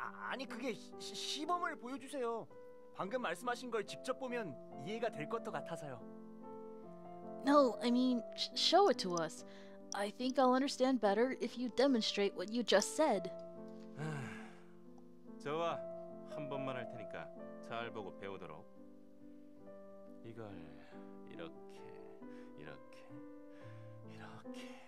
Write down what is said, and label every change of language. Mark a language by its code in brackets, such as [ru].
[ko] 아니 그게 시범을 보여주세요. 방금 말씀하신 걸 직접 보면 이해가 될 것 같아서요. [en] No, I mean, show it to us. I think I'll understand better if you demonstrate what you just said. [ko] 좋아, 한 번만 할 테니까 잘 보고 배우도록. 이걸 이렇게, 이렇게, 이렇게.